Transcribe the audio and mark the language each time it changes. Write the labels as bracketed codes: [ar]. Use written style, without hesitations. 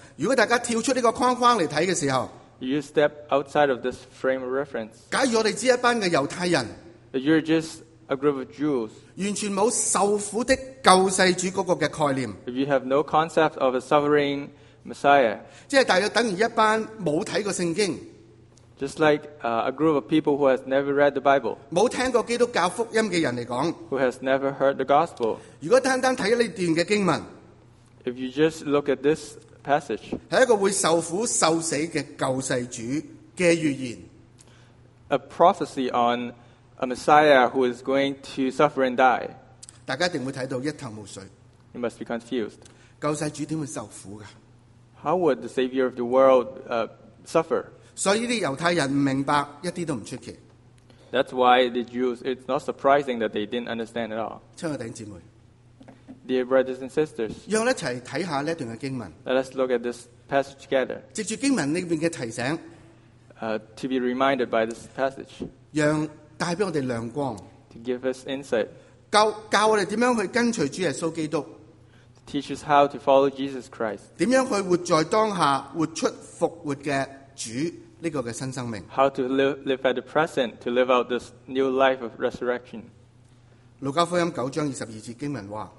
[yue] 如果大家跳出呢个框框嚟睇嘅时候 [en] ，You step outside of this frame of reference. [yue] 假如我哋只一班嘅犹太人 [en] ，You're just a group of Jews. [yue] 完全冇受苦的救世主嗰个嘅概念 [en] ，If you have no concept of a suffering Messiah, [yue] 即系大约等于一班冇睇过圣经。 [en] Just like a group of people who has never read the Bible, [yue] 冇听过基督教福音嘅人嚟讲 [en] ，who has never heard the gospel. [yue] 如果单单睇呢段嘅经文 [en] ，if you just look at this passage, [yue] 系一个会受苦受死嘅救世主嘅预言 [en] ，a prophecy on a Messiah who is going to suffer and die. [yue] 大家一定会睇到一头雾水 [en] ，you must be confused. [yue] 救世主点会受苦噶 [en] ？How would the Savior of the world suffer? [yue] 所以啲猶太人唔明白，一啲都唔出奇。 [en] That's why the Jews. It's not surprising that they didn't understand at all. [yue] 亲爱的弟兄姊妹 [en] ，Dear brothers and sisters， [yue] 让我一齐睇下呢段嘅经文。 [en] Let's look at this passage together. [yue] 藉住经文呢边嘅提醒 [en] ，to be reminded by this passage， [yue] 让带俾我哋亮光 [en] ，to give us insight， [yue] 教我哋点样去跟随主耶稣基督 [en] ，teach us how to follow Jesus Christ， [yue] 点样去活在当下，活出复活嘅。主这个的新生命 [en] How to live at the present to live out this new life of resurrection. [yue] 路加福音九章二十二节经文话